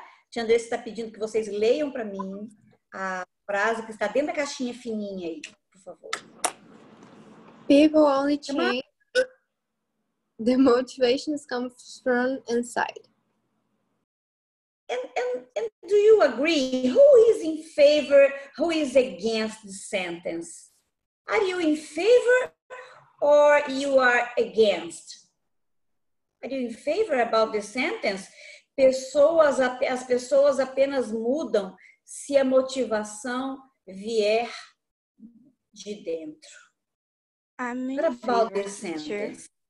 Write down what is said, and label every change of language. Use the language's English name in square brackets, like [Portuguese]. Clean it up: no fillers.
[Portuguese] Tiandre está pedindo que vocês leiam para mim a frase que está dentro da caixinha fininha aí, por favor. [English] People only change the motivations come from inside. And do you agree? Who is in favor? Who is against the sentence? Are you in favor or you are against? Are you in favor about the sentence? [Portuguese] As pessoas apenas mudam se a motivação vier de dentro. [English] I'm in favor, the sentence.